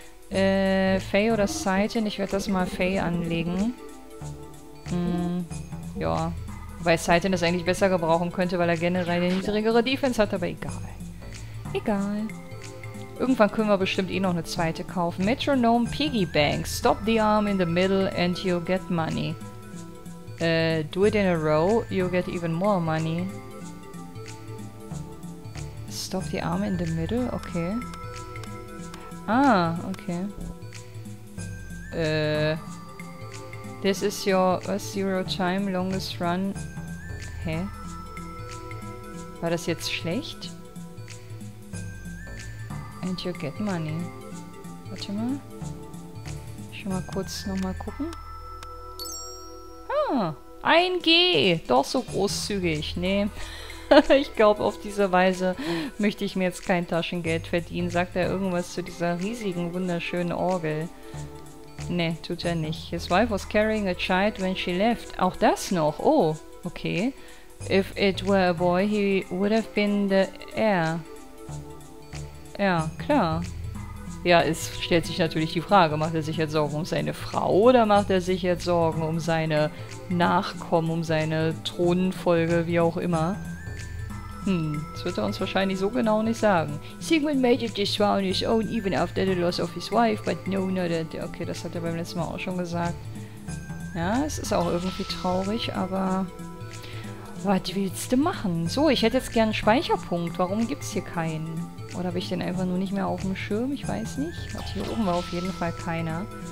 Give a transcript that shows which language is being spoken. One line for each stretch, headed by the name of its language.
German: Fey oder Saiten? Ich werde das mal Fey anlegen. Ja. Weil Saiten das eigentlich besser gebrauchen könnte, weil er generell eine niedrigere Defense hat. Aber egal. Egal. Irgendwann können wir bestimmt eh noch eine zweite kaufen.
English: Metronome Piggy Bank. Stop the arm in the middle and you'll get money. Do it in a row, you'll get even more money. Stop the arm in the middle, okay. Ah, okay. This is your zero time longest run. Hä?
German: War das jetzt schlecht?
English: And you get money.
German: Warte mal. Schon mal kurz nochmal gucken. Ah, 1G! Doch so großzügig. Nee. Ich glaube, auf diese Weise möchte ich mir jetzt kein Taschengeld verdienen. Sagt er irgendwas zu dieser riesigen, wunderschönen Orgel? Nee, tut er nicht.
English: His wife was carrying a child when she left.
German: Auch das noch.
English: Oh, okay. If it were a boy, he would have been the heir.
German: Ja, klar. Ja, es stellt sich natürlich die Frage, macht er sich jetzt Sorgen um seine Frau oder macht er sich jetzt Sorgen um seine Nachkommen, um seine Thronfolge, wie auch immer? Das wird er uns wahrscheinlich so genau nicht sagen.
English: Sigmund made it this far on his own, even after the loss of his wife, but no, not at...
German: Okay, das hat er beim letzten Mal auch schon gesagt. Ja, es ist auch irgendwie traurig, aber... Was willst du machen? So, ich hätte jetzt gern einen Speicherpunkt. Warum gibt's hier keinen? Oder habe ich den einfach nur nicht mehr auf dem Schirm? Ich weiß nicht. Und hier oben war auf jeden Fall keiner.